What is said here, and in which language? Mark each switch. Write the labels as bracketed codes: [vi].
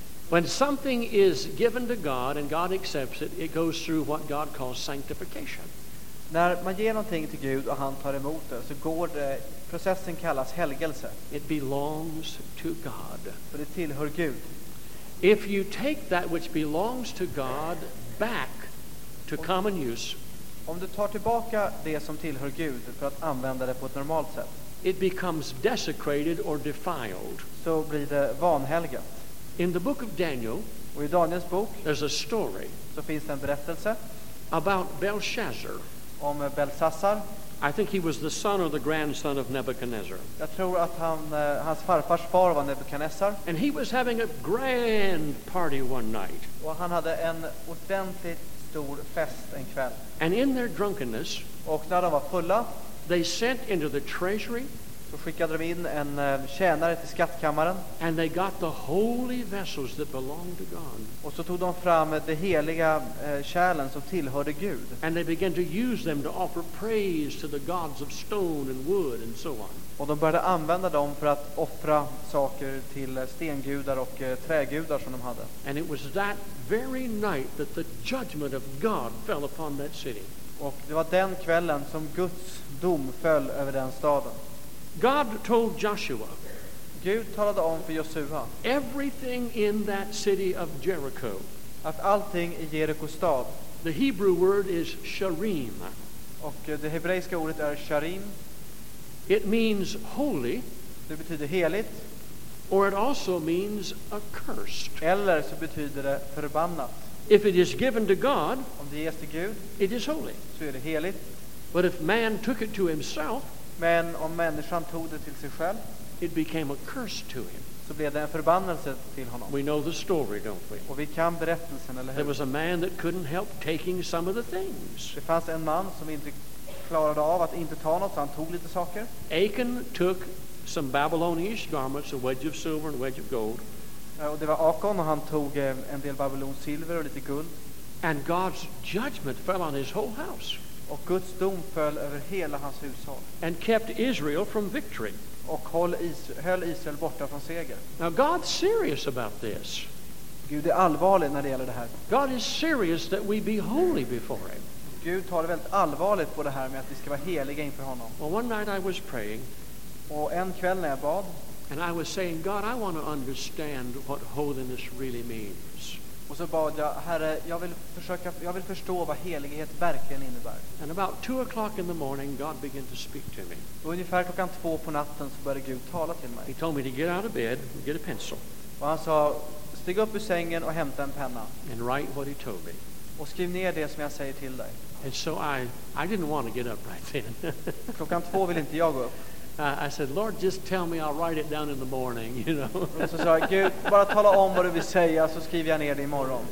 [en] When something is given to God and God accepts it, it goes through what God calls sanctification. [sv] När man ger någonting till Gud och han tar emot det, så går det, processen kallas helgelse. [en] It belongs to God. [sv] För det tillhör Gud. [en] If you take that which belongs to God back to common use, [sv] om du tar tillbaka det som tillhör Gud för att använda det på ett normalt sätt, [en] it becomes desecrated or defiled. [sv] Så blir det vanhelgat. [en] In the book of Daniel, [sv] och i Daniels bok, [en] there's a story. [sv] Så finns det en berättelse [en] about Belshazzar. [sv] Om Belsassar. [en] I think he was the son or the grandson of Nebuchadnezzar. [sv] Jag tror att hans farfars far var Nebuchadnezzar. [en] And he was having a grand party one night. [sv] Och han hade en ordentligt stor fest en kväll. [en] And in their drunkenness, [sv] och när de var fulla, [en] they sent into the treasury, [sv] så skickade de in en tjänare till skattkammaren, [en] and they got the holy vessels that belonged to God. [sv] Och så tog de fram det heliga kärlen som tillhörde Gud. [en] And they began to use them to offer praise to the gods of stone and wood and so on. [sv] Och de började använda dem för att offra saker till stengudar och trägudar som de hade. [en] And it was that very night that the judgment of God fell upon that city. [sv] Och det var den kvällen som Guds dom föll över den staden. [en] God told Joshua. [sv] Gud talade om för Josua. [en] Everything in that city of Jericho. [sv] Att allting i Jerikos stad. [en] The Hebrew word is sharim. [sv] Och det hebreiska ordet är sharim. [en] It means holy. [sv] Det betyder heligt. [en] Or it also means accursed. [sv] Eller så betyder det förbannat. [en] If it is given to God, [sv] om det ges till Gud, [en] it is holy. [sv] Så är det heligt. [en] But if man took it to himself, [sv] men om människan tog det till sig själv, [en] it became a curse to him. [sv] Så blev det en förbannelse till honom. [en] We know the story, don't we? [sv] Och vi kan berättelsen, eller hur? [en] There was a man that couldn't help taking some of the things. [sv] Det fanns en man som inte klarade av att inte ta något, så han tog lite saker. [en] Achan took some Babylonish garments, a wedge of silver and a wedge of gold. [sv] Och det var Achan, och han tog en del babylonskt silver och lite guld. [en] And God's judgment fell on his whole house. [sv] Och Guds dom föll över hela hans hushåll. [en] And kept Israel from victory. [sv] Och höll Israel borta från seger. [en] Now God's serious about this. [sv] Gud är allvarlig när det gäller det här. [en] God is serious that we be holy before him. [sv] Gud tar det väldigt allvarligt på det här med att vi ska vara heliga inför honom. [en] Well, one night I was praying. [sv] Och en kväll när jag bad, [en] and I was saying, God, I want to understand what holiness really means. [sv] Och så bad jag, Herre, jag vill förstå vad helighet verkligen innebär. [en] And about 2 o'clock in the morning, God began to speak to me. [sv] Och ungefär klockan 2 på natten så började Gud tala till mig. [en] He told me to get out of bed and get a pencil. [sv] Och han sa, stig upp ur sängen och hämta en penna. [en] And write what he told me. [sv] Och skriv ner det som jag säger till dig. [en] And so I didn't want to get up right then. [sv] Klockan 2 vill inte jag gå upp. [en] I said, Lord, just tell me, I'll write it down in the morning, you know. [sv] Så sa jag, Gud, bara tala om vad du vill säga så skriver jag ner det imorgon.